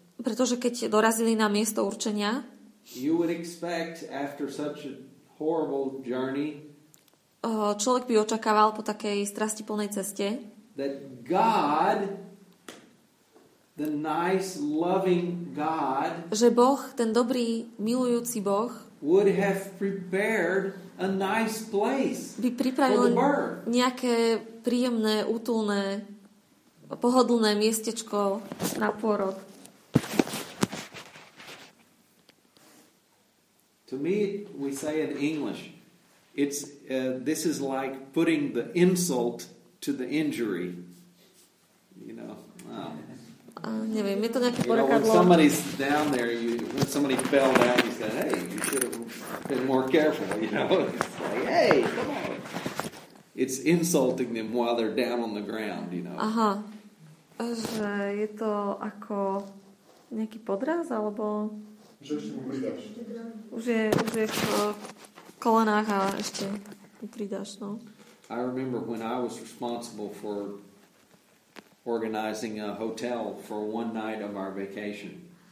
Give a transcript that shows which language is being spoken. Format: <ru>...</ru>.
<sk>pretože keď dorazili na miesto určenia,</sk> <en>you would expect after such a horrible journey,</en> <sk>človek by očakával po takej strastiplnej ceste,</sk> <en>that God, the nice, loving God,</en> <sk>že Boh, ten dobrý, milujúci Boh,</sk> <en>would have prepared a nice place for the bird.</en> <sk>Nejaké príjemné, útulné, pohodlné miestečko na pôrod.</sk> <en>To me, we say in English, it's this is like putting the insult to the injury. You know.</en> <sk>Neviem, je to nejaké porakadlo.</sk> <en>When somebody's down there, when somebody fell down, you said, hey, you should have been more careful, you know. It's like, hey, come on. It's insulting them while they're down on the ground, you know.</en> <sk>Aha. Že je to ako nejaký podraz, alebo... Už je v kolenách a ešte mu pridáš, no.</sk> <en>I remember when I was responsible for organizing a hotel for one night of our vacation.</en>